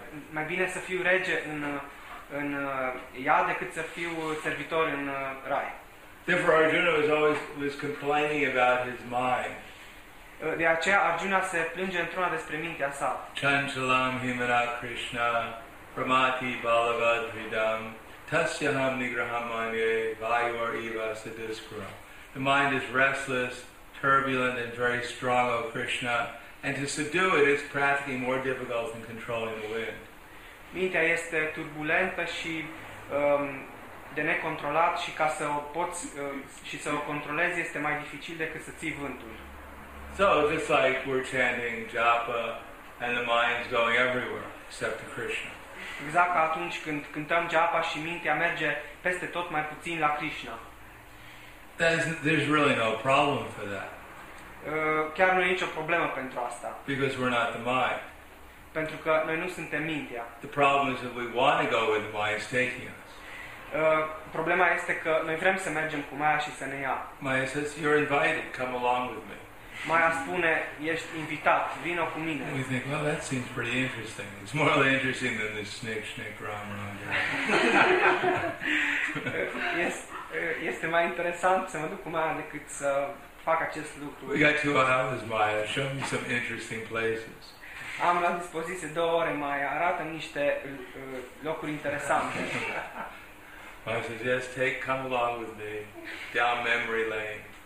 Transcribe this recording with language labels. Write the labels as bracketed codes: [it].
[ro] Mai bine să fiu rege în iad decât să fiu servitor în rai. [en] Therefore, Arjuna was complaining about his mind. [ro] De aceea Arjuna se plânge într-una despre mintea sa. [sa] Chanchalam himana Krishna pramati balavad vidam tasyaham nigraham manye vayor eva sadiskura. [en] The mind is restless, turbulent, and very strong, O Krishna. And to subdue it is practically more difficult than controlling the wind. [ro] Mintea este turbulentă și de necontrolat și ca să o poți și să o controlezi este mai dificil decât să ții vântul. [en] So, just like we're chanting japa and the mind's going everywhere except to Krishna. [ro] Exact ca atunci când cântăm japa și mintea merge peste tot mai puțin la Krishna. [en] There's really no problem for that. [ro] Chiar nu e nicio problemă pentru asta. [en] Because we're not the mind. [ro] Pentru că noi nu suntem mintea. [en] The problem is that we want to go where the mind is taking us. [ro] Problema este că noi vrem să mergem cu Maya și să ne ia. [en] Maya says, you're invited, come along with me. [ro] Maya spune, ești invitat, vino cu mine. [en] And we think, well, that seems pretty interesting. It's more really interesting than this snake, snake, ram, ram. Yes. [ro] Este mai interesant să mă duc cu Maya decât să fac acest lucru. [en] We got 2 hours, Maya. Show me some interesting places. [ro] Am la dispoziție 2 ore, mai arată niște locuri interesante. [en] Maya says, yes, take, come along with me down memory lane.